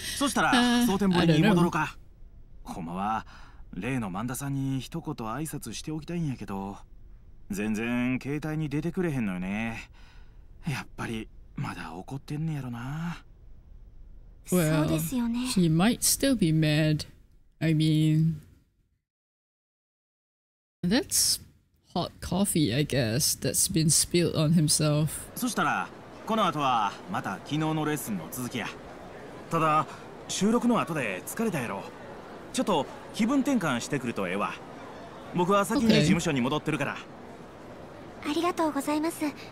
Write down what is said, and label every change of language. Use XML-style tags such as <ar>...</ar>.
<ja>そしたら蒼天堀に戻ろうか。ほんまは例のマンダさんに一言挨拶しておきたいんやけど、全然携帯に出てくれへんのよね。やっぱりまだ怒ってんねやろな。</ja> <en>Well, he might still be mad. I mean, that's hot coffee, I guess, that's been spilled on himself.</en> <ja>そしたら、この後はまた昨日のレッスンの続きや。ただ、収録の後で疲れたやろ。ちょっと気分転換してくるとええわ。僕は先に事務所に戻ってるから。</ja> <en>Okay.</en> <ja>ありがとうございます。</ja>